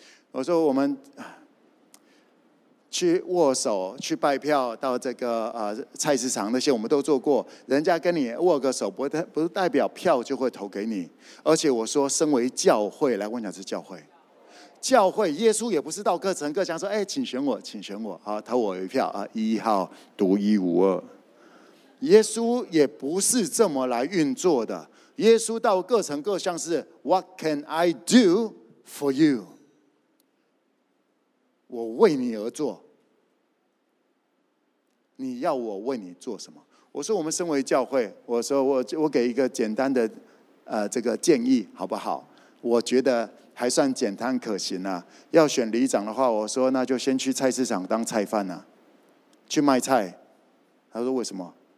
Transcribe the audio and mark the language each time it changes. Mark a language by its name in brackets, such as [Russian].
[Chinese] 我说我们去握手去拜票到这个菜市场那些我们都做过，人家跟你握个手不代表票就会投给你。而且我说身为教会，来问一下，是教会耶稣也不是到各城各乡说请选我请选我投我一票一号独一无二，耶稣也不是这么来运作的。耶稣到各城各乡是 [English] What can I do for you? [Chinese] 我为你而做，你要我为你做什么？我说我们身为教会，我说 我给一个简单的这个建议好不好？我觉得还算简单可行啊。要选里长的话，我说那就先去菜市场当菜贩啊，去卖菜。他说为什么？